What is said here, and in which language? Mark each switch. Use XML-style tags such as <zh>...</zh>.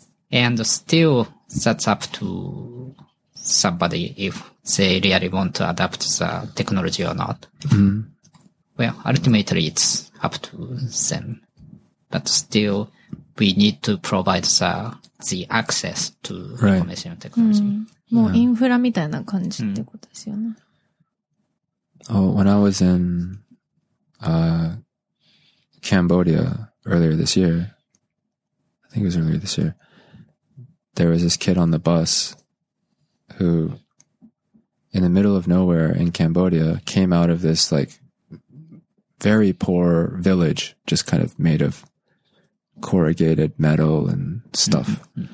<en>And still, that's up to somebody if they really want to adapt the technology or not. Well, ultimately, it's up to them. But still, we need to provide the access to information technology.</en> <ja>インフラみたいな感じってことですよね。</ja> <en>When I was in Cambodia earlier this year, I think it was earlier this year, there was this kid on the bus who, in the middle of nowhere in Cambodia, came out of this like very poor village, just kind of made of corrugated metal and stuff.</en>